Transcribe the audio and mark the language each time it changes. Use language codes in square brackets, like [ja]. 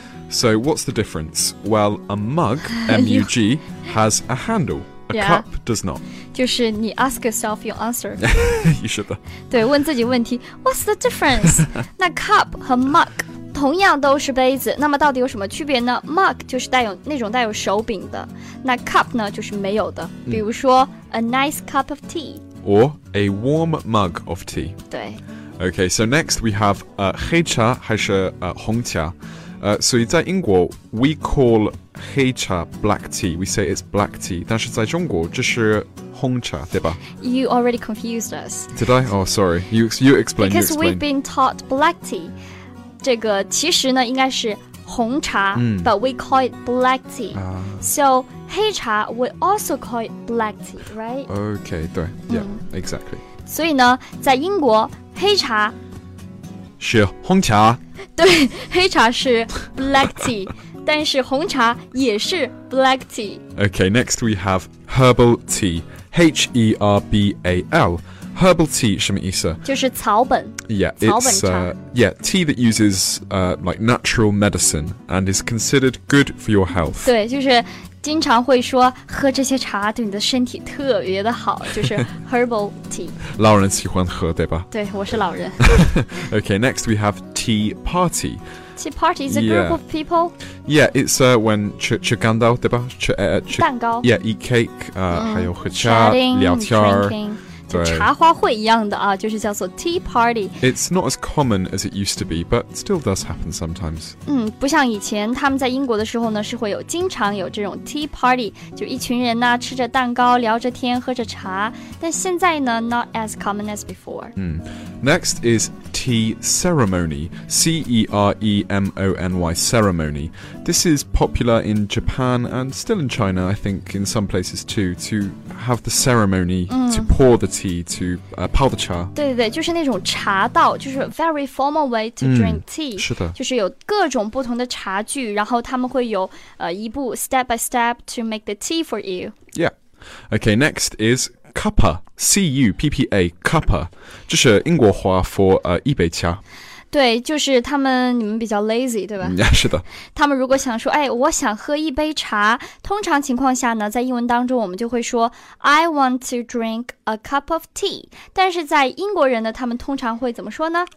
[en] So what's the difference? Well, a mug, M-U-G, has a handle. A yeah, cup does not. [zh] 就是你 [en] ask yourself your answer. you should. [zh] 对，问自己问题。 [en] What's the difference? [zh] 那 cup 和 mug 同样都是杯子，那么到底有什么区别呢？ Mug 就是带有那种带有手柄的，那 cup 呢就是没有的。比如说 [en] a nice cup of tea. Or a warm mug of tea. [zh] 对。 [en] Okay, so next we have [zh] 黑茶还是红茶。所以在英国 [en] we call 黑茶 black tea, we say it's black tea, [zh] 但是在中国这是红茶对吧 [en] You already confused us. Did I? Oh, sorry. You explain. Because we've been taught black tea. [zh] 这个其实呢应该是红茶、 [en] but we call it black tea.、So 黑茶 we also call it black tea, right? Okay, 对 yeah,、exactly. [zh] 所以呢在英国黑茶是红茶对黑茶是 black tea 但是红茶也是 black tea [en] Okay, next we have herbal tea H-E-R-B-A-L Herbal tea [zh] 什么意思就是草本 [en] Yeah, [zh] 草本茶 [en] it's, Yeah, tea that uses、like natural medicine And is considered good for your health [zh] 对就是经常会说喝这些茶对你的身体特别的好就是 herbal tea 老人喜欢喝对吧对我是老人 [en] Okay, next we have tea party Tea party is a group of people? Yeah, it's when [zh] 吃蛋糕对吧吃蛋糕 [en] Yeah, eat cake、 [zh] 还有喝茶 [en] Chatting, [zh] 聊天 drinking 就茶花会一样的啊就是叫做 tea party [en] It's not as common as it used to be But still does happen sometimes [zh] 不像以前他们在英国的时候呢是会有经常有这种 tea party 就一群人呢吃着蛋糕聊着天喝着茶但现在呢 [en] not as common as before Next is tea ceremony C-E-R-E-M-O-N-Y ceremony This is popular in Japan and still in China I think in some places too to have the ceremony、to pour the tea to [zh] 泡的茶对对对就是那种茶道就是 [en] very formal way to drink tea [zh] 是的就是有各种不同的茶具然后他们会有、一步 [en] step by step to make the tea for you yeah okay next is cuppa c-u-p-p-a cuppa [zh] 这是英国话 [en] for [zh] 一杯茶对就是他们你们比较 lazy 对吧、是的他们如果想说哎我想喝一杯茶通常情况下呢在英文当中我们就会说 [en] I want to drink a cup of tea [zh] 但是在英国人呢他们通常会怎么说呢